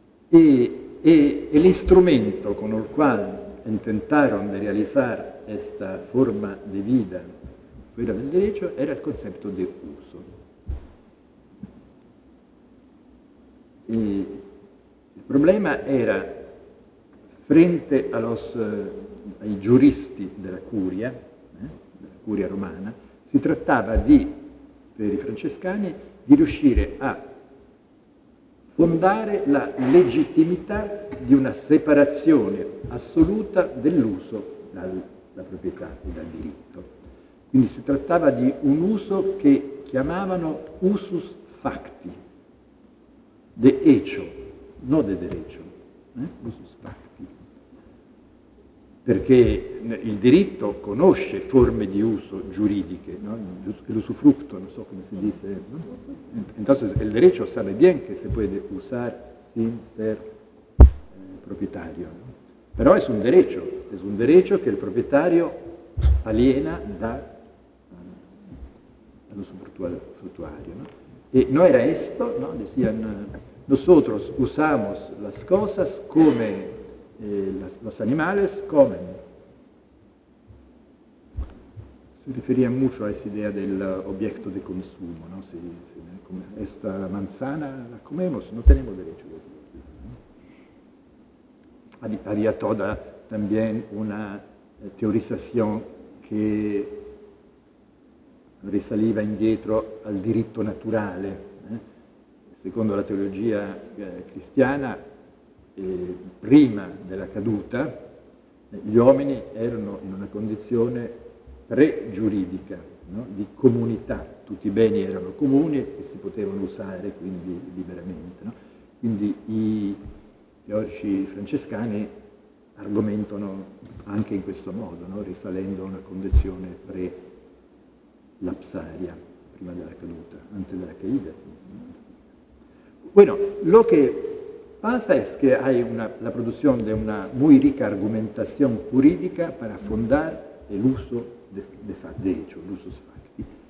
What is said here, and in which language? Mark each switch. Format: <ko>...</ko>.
<es>Y el instrumento con el cual intentaron de realizar esta forma de vida fuera del derecho era el concepto de uso. Y el problema era, frente a los,</es> <it>ai giuristi della curia, della curia romana, si trattava di, per i francescani, di riuscire a fondare la legittimità di una separazione assoluta dell'uso dalla proprietà e dal diritto. Quindi si trattava di un uso che chiamavano usus facti,</it> <es>de hecho,</es> <it>non de derecho, usus facti. Perché il diritto conosce forme di uso giuridiche, no? L'usufructo, non so come si dice, no? Entonces il diritto sa bene che si può usare senza proprietario, no? Però è un diritto che il proprietario aliena da all'usufruttuario, no? E non era questo, no?</it> <es>Decían, nosotros usamos las cosas come los animales comen. Se refería mucho a esa idea del objeto de consumo, ¿no? Si esta manzana la comemos, no tenemos derecho. Había toda también una teorización que</es> <it>risaliva indietro al diritto naturale. Secondo la teologia cristiana, prima della caduta, gli uomini erano in una condizione pre-giuridica, no? Di comunità, tutti i beni erano comuni e si potevano usare quindi liberamente, no? Quindi i teorici francescani argomentano anche in questo modo, no? Risalendo a una condizione pre-lapsaria, prima della caduta, ante della caída.</it> <es>Bueno, lo che pasa es que hay la producción de una muy rica argumentación jurídica para fundar el uso de hecho, el uso de facti.</es>